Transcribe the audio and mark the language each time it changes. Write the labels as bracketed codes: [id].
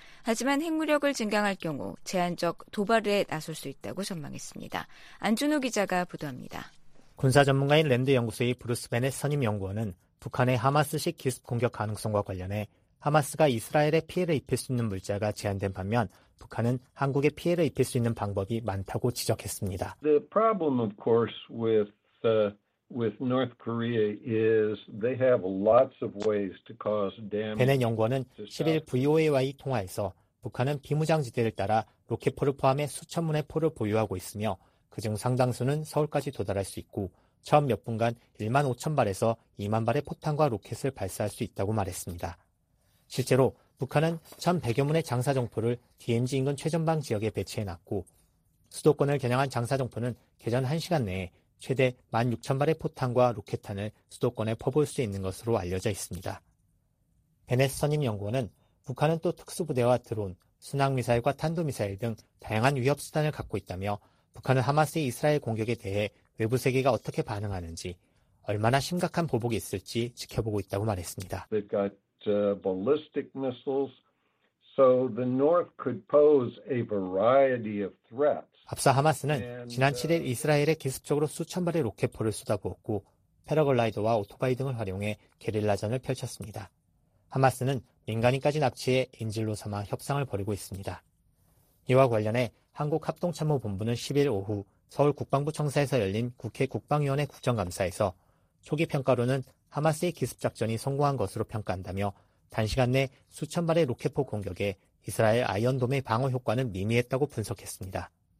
[ko] 하지만 핵무력을 증강할 경우 제한적 도발에 나설 수 있다고 전망했습니다. 안준호 기자가 보도합니다. 군사 전문가인 랜드 연구소의 브루스 베넷 선임 연구원은 북한의 하마스식 기습 공격 가능성과 관련해 하마스가 이스라엘에 피해를 입힐 수 있는 물자가 제한된 반면 북한은 한국에 피해를 입힐 수 있는 방법이 많다고 지적했습니다. [en] The problem, of course, with North Korea is they have lots of ways to cause damage. [ko] 베넷 연구원은 11일 VOA와의 통화에서 북한은 비무장지대를 따라 로켓포를 포함해 수천 문의 포를 보유하고 있으며 그중 상당수는 서울까지 도달할 수 있고 처음 몇 분간 1만 5천 발에서 2만 발의 포탄과 로켓을 발사할 수 있다고 말했습니다. 실제로 북한은 1,100여 문의 장사정포를 DMZ 인근 최전방 지역에 배치해놨고 수도권을 겨냥한 장사정포는 개전 1시간 내에 최대 16,000발의 포탄과 로켓탄을 수도권에 퍼볼 수 있는 것으로 알려져 있습니다. 베넷 선임 연구원은 북한은 또 특수부대와 드론, 순항미사일과 탄도미사일 등 다양한 위협수단을 갖고 있다며 북한은 하마스의 이스라엘 공격에 대해 외부 세계가 어떻게 반응하는지 얼마나 심각한 보복이 있을지 지켜보고 있다고 말했습니다. [en] They've got ballistic missiles, so the North could pose a variety of threats. [ko] 앞서 하마스는 지난 7일 이스라엘에 기습적으로 수천 발의 로켓포를 쏟아부었고 패러글라이더와 오토바이 등을 활용해 게릴라전을 펼쳤습니다. 하마스는 민간인까지 납치해 인질로 삼아 협상을 벌이고 있습니다. 이와 관련해 한국합동참모본부는 10일 오후 서울 국방부 청사에서 열린 국회 국방위원회 국정감사에서 초기 평가로는 하마스의 기습작전이 성공한 것으로 평가한다며 단시간 내 수천 발의 로켓포 공격에 이스라엘 아이언돔의 방어 효과는 미미했다고 분석했습니다.